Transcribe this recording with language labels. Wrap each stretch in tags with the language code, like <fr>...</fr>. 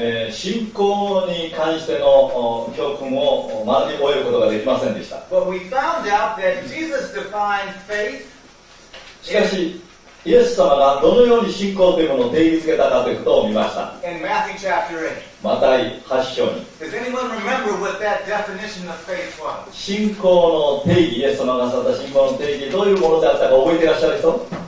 <ja>信仰に関しての教訓を学び終えることができませんでした。</ja> <en>But we found out that Jesus defined faith.</en> <ja>しかし、イエス様がどのように信仰というものを定義づけたかということを見ました。</ja> <en>In Matthew chapter 8.</en> <ja>マタイ8章に。</ja> <en>Does anyone remember what that definition of faith was?</en> <ja>信仰の定義、イエス様がされた信仰の定義、どういうものであったか覚えていらっしゃる人？</ja>